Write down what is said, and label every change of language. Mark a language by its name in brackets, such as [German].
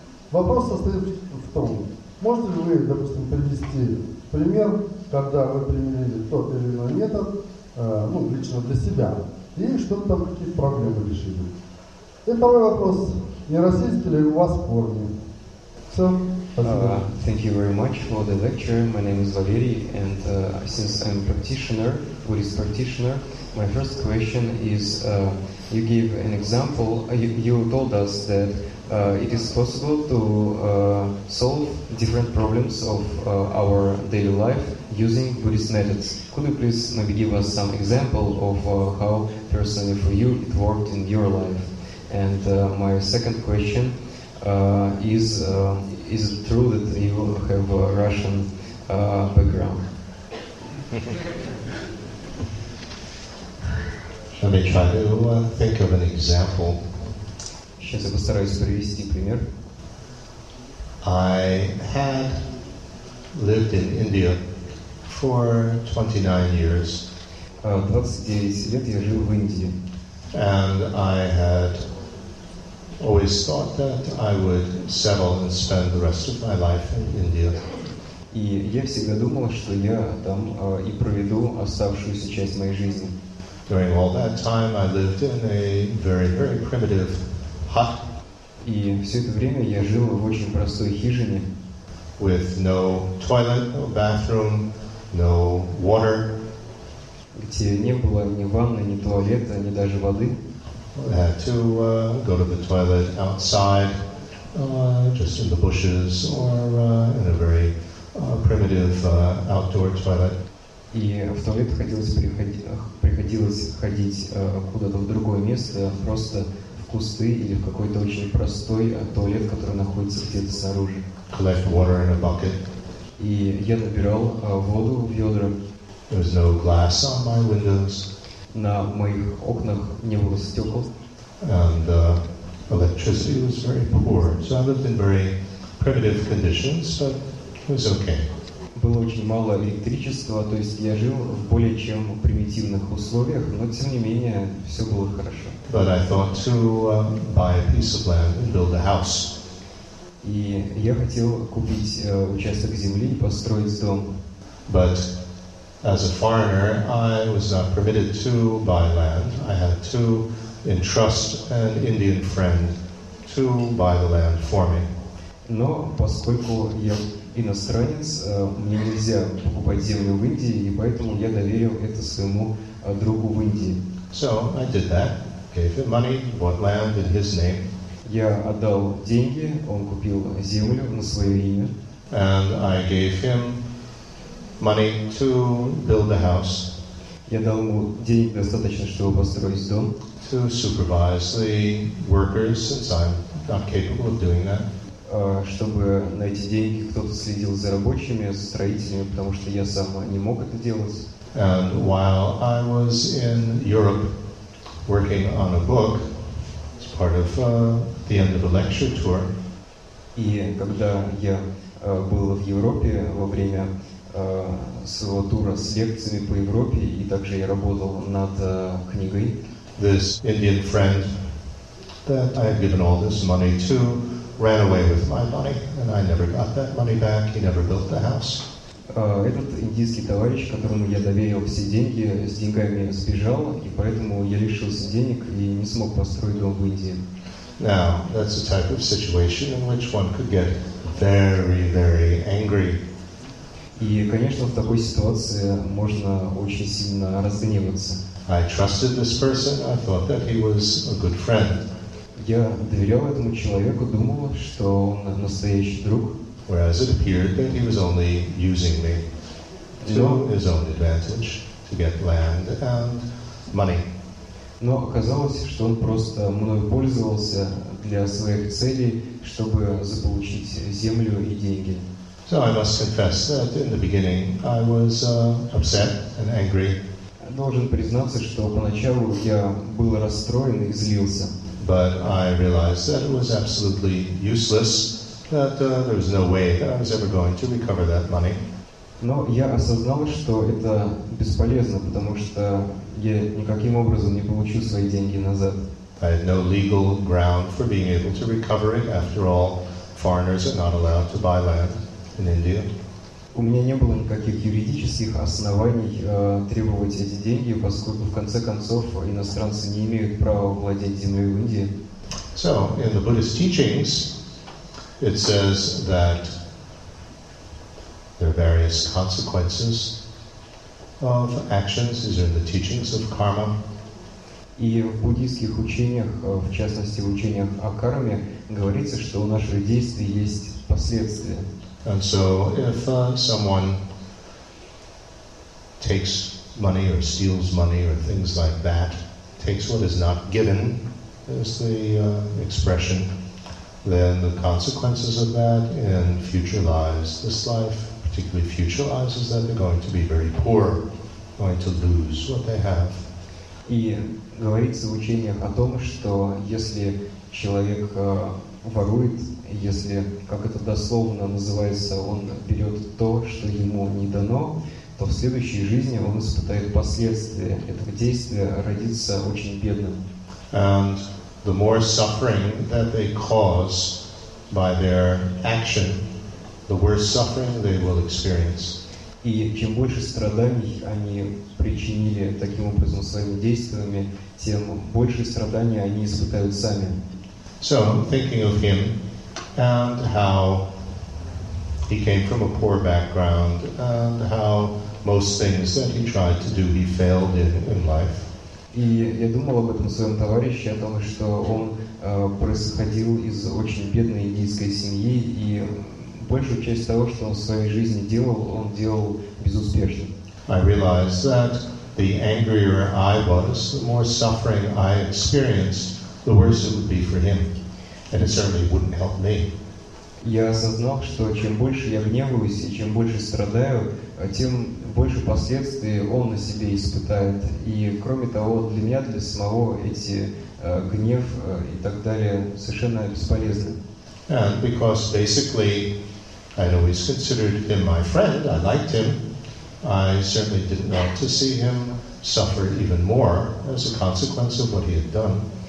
[Russian] Вопрос состоит в том, можете ли вы, допустим, привести пример, когда вы применили тот или иной метод, ну, лично для себя, и что-то там какие-то проблемы решили. И второй вопрос, не российский ли у вас корни? Все. [English] Thank you very much for the lecture. My name is Valery, and since I'm a practitioner, Buddhist practitioner, my first question is, you gave an example, you told us that it is possible to solve different problems of our daily life using Buddhist methods. Could you please maybe give us some example of how personally for you it worked in your life? And my second question is it true that you have a Russian background? Let me try to think of an example. [Russian] Сейчас я постараюсь привести пример. [English] I had lived in India for 29 years. [Russian] 29 лет я жил в Индии. [English] And I had always thought that I would settle and spend the rest of my life in India. [Russian] И я всегда думал, что я там и проведу оставшуюся часть моей жизни. [English] During all that time, I lived in a very, very primitive hut. [Russian] И все это время я жил в очень простой хижине. [English] With no toilet, no bathroom, no water. [Russian] Где не было ни ванны, ни туалета, ни даже воды. [English] I had to go to the toilet outside, just in the bushes, or in a very primitive outdoor toilet. [Russian] И в туалет приходилось ходить куда-то в другое место, просто в кусты или в какой-то очень простой туалет, который находится где-то снаружи. [English] Collect water in a bucket. [Russian] И я набирал воду в ведра. [English] There was no glass on my windows. [Russian] На моих окнах не было стекол. [English] And electricity was very poor. So I lived in very primitive conditions, but it was okay. [Russian] Было очень мало электричества, то есть я жил в более чем примитивных условиях, но тем не менее все было хорошо. [English] But I thought to buy a piece of land and build a house. [Russian] И я хотел купить участок земли и построить дом. [English] But as a foreigner, I was not permitted to buy land. I had to entrust an Indian friend to buy the land for me. [Russian] Но поскольку я иностранец, мне нельзя покупать землю в Индии, и поэтому я доверил это своему другу в Индии. [English] So I did that, gave him money, bought land in his name. [Russian] Я отдал деньги, он купил землю на свое имя. [English] And I gave him money to build the house. [Russian] Я дал ему денег достаточно, чтобы построить дом. [English] To supervise the workers, since I'm not capable of doing that. [Russian] Чтобы на эти деньги кто-то следил за рабочими, за строителями, потому что я сам не мог это делать. [English] And while I was in Europe working on a book, as part of the end of a lecture tour. [Russian] И когда я был в Европе во время своего тура с лекциями по Европе, и также я работал над книгой. [English] This Indian friend that I had given all this money to ran away with my money, and I never got that money back. He never built the house. [Russian] Этот индийский товарищ, которому я доверил все деньги, с деньгами сбежал, и поэтому я лишился денег и не смог построить дом в Индии. [English] Now, that's a type of situation in which one could get very, very angry. [Russian] И, конечно, в такой ситуации можно очень сильно разгневаться. [English] I trusted this person. I thought that he was a good friend. [Russian] Я доверял этому человеку, думал, что он настоящий друг. [English] Whereas it appeared that he was only using me to his own advantage to get land and money. [Russian] Но оказалось, что он просто мной пользовался для своих целей, чтобы заполучить землю и деньги. [English] So I must confess that in the beginning I was upset and angry. [Russian] Должен признаться, что поначалу я был расстроен и злился. [English] But I realized that it was absolutely useless, that there was no way that I was ever going to recover that money. [Russian] Но я осознал, что это бесполезно, потому что я никаким образом не получу свои деньги назад. [English] I had no legal ground for being able to recover it. After all, foreigners are not allowed to buy land in India. [Russian] У меня не было никаких юридических оснований требовать эти деньги, поскольку, в конце концов, иностранцы не имеют права владеть землей в Индии. [English] So, in the Buddhist teachings, it says that there are various consequences of actions. These are the teachings of karma. [Russian] И в буддийских учениях, в частности, в учениях о карме, говорится, что у наших действий есть последствия. [English] And so, if someone takes money or steals money or things like that, takes what is not given, is the expression, then the consequences of that in future lives, this life particularly future lives, is that they're going to be very poor, going to lose what they have. [Russian] И говорится в учениях о том, что если человек ворует, если, как это дословно называется, он берет то, что ему не дано, то в следующей жизни он испытает последствия этого действия, родится очень бедным. [English] And the more suffering that they cause by their action, the worse suffering they will experience. [Russian] И чем больше страданий они причинили таким образом своими действиями, тем больше страданий они испытают сами. [English] So, thinking of him and how he came from a poor background and how most things that he tried to do he failed in life. [Russian] И я думал об этом своем товарище, о том, что он происходил из очень бедной индийской семьи, и большую часть того, что он в своей жизни делал, он делал безуспешно. [English] I realized that the angrier I was, the more suffering I experienced, the worse it would be for him. And it certainly wouldn't help me. [Russian] Я осознал, что чем больше я гневаюсь и чем больше страдаю, тем больше последствий он на себе испытает. И кроме того, для меня, для самого, эти гнев и так далее совершенно бесполезны. [English] And because basically I'd always considered him my friend, I liked him, I certainly didn't want to see him suffer even more as a consequence of what he had done.